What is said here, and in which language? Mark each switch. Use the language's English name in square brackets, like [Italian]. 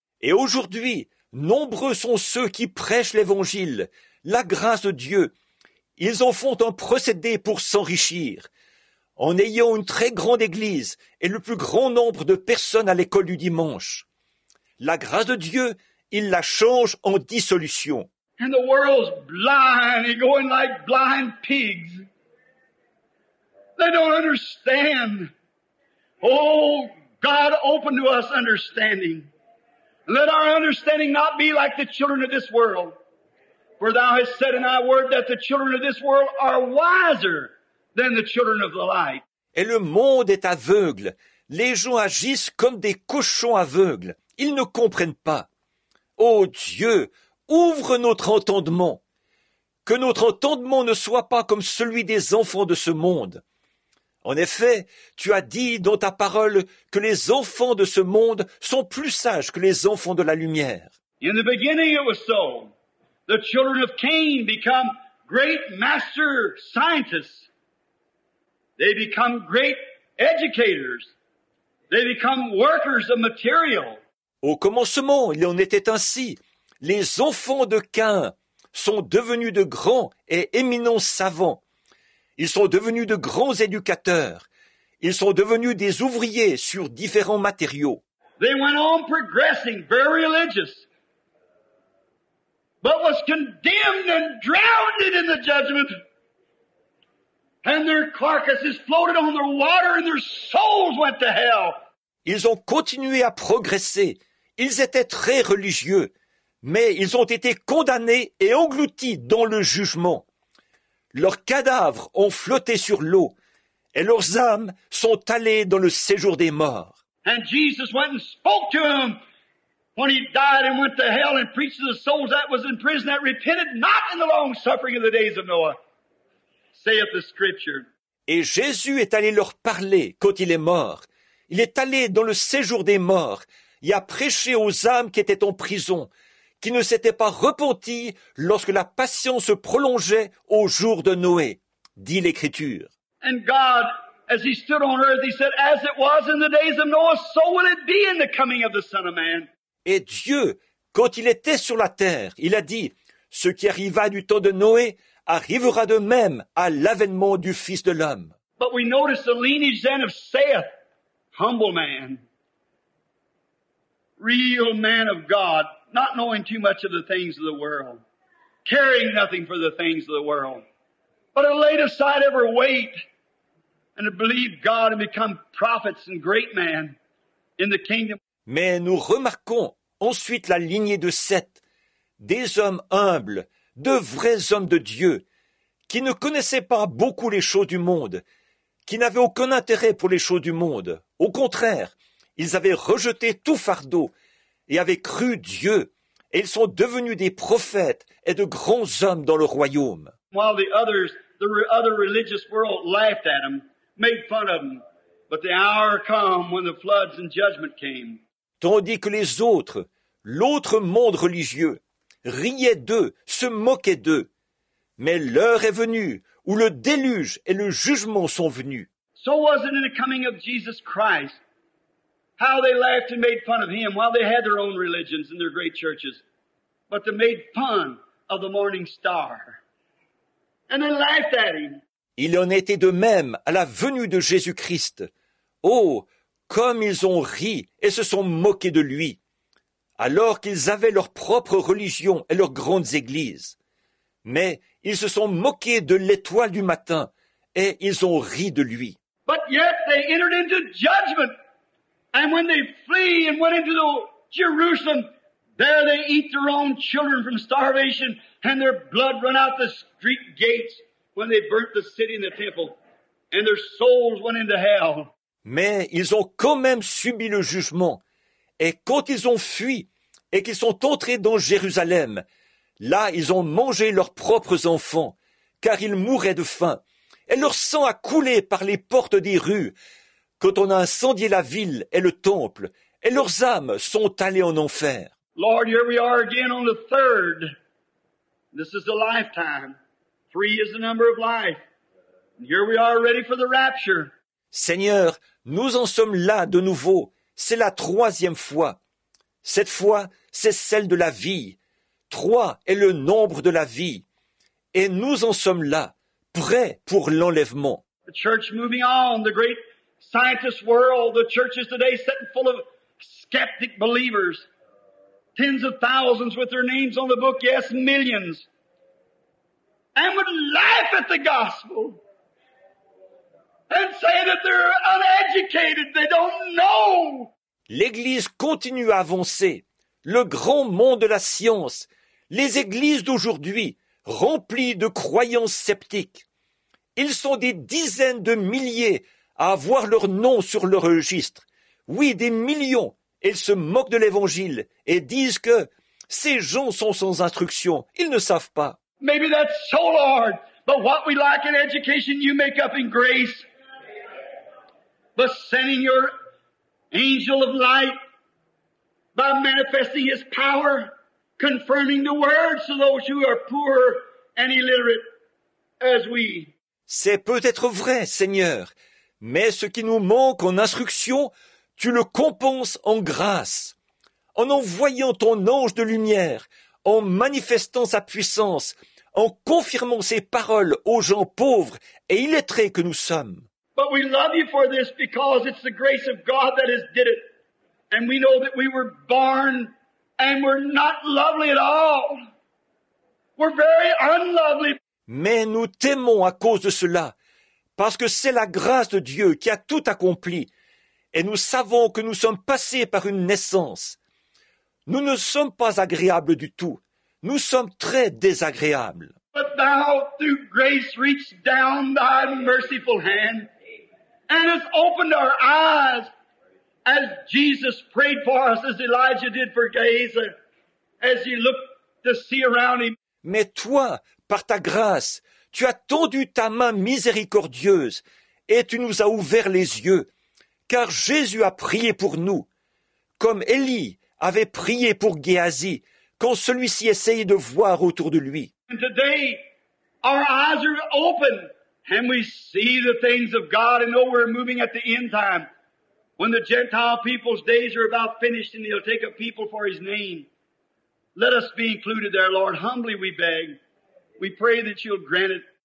[French] Et aujourd'hui, nombreux sont ceux qui prêchent l'Évangile, la grâce de Dieu. Ils en font un procédé pour s'enrichir. En ayant une très grande église et le plus grand nombre de personnes à l'école du dimanche. La grâce de Dieu, il la change en dissolution. [English] And the world's blind and going like blind pigs. They don't understand. Oh, God, open to us understanding. Let our understanding not be like the children of this world. For thou hast said in thy word that the children of this world are wiser than the children of the light. [French] Et le monde est aveugle. Les gens agissent comme des cochons aveugles. Ils ne comprennent pas. Ô Dieu, ouvre notre entendement, que notre entendement ne soit pas comme celui des enfants de ce monde. En effet, tu as dit dans ta parole que les enfants de ce monde sont plus sages que les enfants de la lumière. [English] In the beginning it was so. The children of Cain become great master scientists. They become great educators. They become workers of material. [French] Au commencement, il en était ainsi. Les enfants de Cain sont devenus de grands et éminents savants. Ils sont devenus de grands éducateurs. Ils sont devenus des ouvriers sur différents matériaux. [English] They went on progressing, very religious, but was condemned and drowned in the judgment. And their carcasses floated on the water and their souls went to hell. [French] Ils ont continué à progresser. Ils étaient très religieux, mais ils ont été condamnés et engloutis dans le jugement. Leurs cadavres ont flotté sur l'eau et leurs âmes sont allées dans le séjour des morts. [English] And Jesus went and spoke to him when he died and went to hell and preached to the souls that was in prison that repented not in the long suffering of the days of Noah, saith the scripture. [French] Et Jésus est allé leur parler quand il est mort. Il est allé dans le séjour des morts et a prêché aux âmes qui étaient en prison, qui ne s'étaient pas repenties lorsque la passion se prolongeait au jour de Noé, dit l'Écriture. [English] And God, as he stood on earth, he said, as it was in the days of Noah, so will it be in the coming of the Son of Man. [French] Et Dieu, quand il était sur la terre, il a dit, ce qui arriva du temps de Noé arrivera de même à l'avènement du Fils de l'homme. [English] But we notice the lineage then of Seth, humble man, real man of God, not knowing too much of the things of the world, caring nothing for the things of the world, but had laid aside every weight and had believed God and become prophets and great men in the kingdom. [French] Mais nous remarquons ensuite la lignée de Seth, des hommes humbles, de vrais hommes de Dieu, qui ne connaissaient pas beaucoup les choses du monde, qui n'avaient aucun intérêt pour les choses du monde. Au contraire, ils avaient rejeté tout fardeau et avaient cru Dieu, et ils sont devenus des prophètes et de grands hommes dans le royaume. [English] While the other religious world laughed at them, made fun of them, but the hour came when the floods and judgment came. [French] Tandis que les autres, l'autre monde religieux, riaient d'eux, se moquaient d'eux, mais l'heure est venue où le déluge et le jugement sont venus. [English] So was it in the coming of Jesus Christ. How they laughed and made fun of him while they had their own religions and their great churches. But they made fun of the morning star. And they laughed at him. [French] Il en était de même à la venue de Jésus-Christ. Oh, comme ils ont ri et se sont moqués de lui, alors qu'ils avaient leur propre religion et leurs grandes églises. Mais ils se sont moqués de l'étoile du matin et ils ont ri de lui. [English] But yet they entered into judgment. And when they flee and went into the Jerusalem, there they eat their own children from starvation, and their blood run out the street gates when they burnt the city and the temple, and their souls went into hell. [French] Mais ils ont quand même subi le jugement, et quand ils ont fui et qu'ils sont entrés dans Jérusalem, là ils ont mangé leurs propres enfants, car ils mouraient de faim, et leur sang a coulé par les portes des rues. Quand on a incendié la ville et le temple, et leurs âmes sont allées en enfer. [English] Lord, here we are again on the third. This is the lifetime. Three is the number of life. And here we are ready for the rapture. [French] Seigneur, nous en sommes là de nouveau. C'est la troisième fois. Cette fois, c'est celle de la vie. Trois est le nombre de la vie. Et nous en sommes là, prêts pour l'enlèvement. [English] The church moving on, the great scientist world, the churches today set full of skeptic believers, tens of thousands with their names on the book, yes, millions, and would laugh at the gospel and say that they're uneducated, they don't know. [French] L'Église continue à avancer, le grand monde de la science, les églises d'aujourd'hui remplies de croyances sceptiques. Ils sont des dizaines de milliers à avoir leur nom sur le registre. Oui, des millions. Ils se moquent de l'Évangile et disent que ces gens sont sans instruction. Ils ne savent pas. [English] Maybe that's so, Lord. But what we lack in education, you make up in grace. By sending your angel of light, by manifesting his power, confirming the words to those who are poor and illiterate as we. [French] C'est peut-être vrai, Seigneur. Mais ce qui nous manque en instruction, tu le compenses en grâce. En envoyant ton ange de lumière, en manifestant sa puissance, en confirmant ses paroles aux gens pauvres et illettrés que nous sommes. [English] But we love you for this because it's the grace of God that has did it. And we know that we were born and we're not lovely at all. We're very unlovely. [French] Mais nous t'aimons à cause de cela. Parce que c'est la grâce de Dieu qui a tout accompli. et nous savons que nous sommes passés par une naissance. Nous ne sommes pas agréables du tout. Nous sommes très désagréables. [English] But thou, through grace, reach down thy merciful hand and has opened our eyes as Jesus prayed for us, as Elijah did for Gehazi, as he looked to see around him. [French] Mais toi, par ta grâce, tu as tendu ta main miséricordieuse et tu nous as ouvert les yeux, car Jésus a prié pour nous, comme Élie avait prié pour Gehazi quand celui-ci essayait de voir autour de lui. [English] And today, our eyes are open, and we see the things of God, and know we're moving at the end time, when the Gentile people's days are about finished, and He'll take a people for His name. Let us be included there, Lord. Humbly we beg. We pray that You'll grant it.